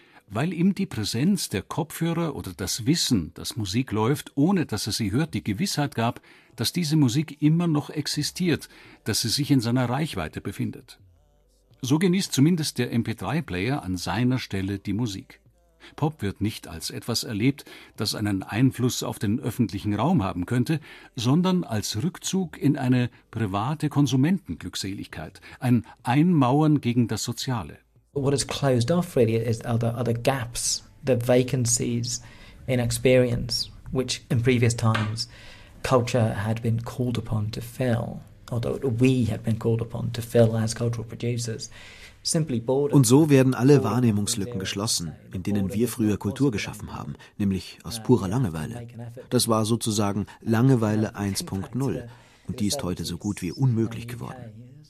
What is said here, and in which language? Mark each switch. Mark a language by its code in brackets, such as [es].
[de] Weil ihm die Präsenz der Kopfhörer oder das Wissen, dass Musik läuft, ohne dass er sie hört, die Gewissheit gab, dass diese Musik immer noch existiert, dass sie sich in seiner Reichweite befindet. So genießt zumindest der MP3-Player an seiner Stelle die Musik. Pop wird nicht als etwas erlebt, das einen Einfluss auf den öffentlichen Raum haben könnte, sondern als Rückzug in eine private Konsumentenglückseligkeit, ein Einmauern gegen das Soziale. [en] What is closed off really is are the gaps, the vacancies in experience, which in previous times culture had been called upon to fill. [de] Und so werden alle Wahrnehmungslücken geschlossen, in denen wir früher Kultur geschaffen haben, nämlich aus purer Langeweile. Das war sozusagen Langeweile 1.0 und die ist heute so gut wie unmöglich geworden.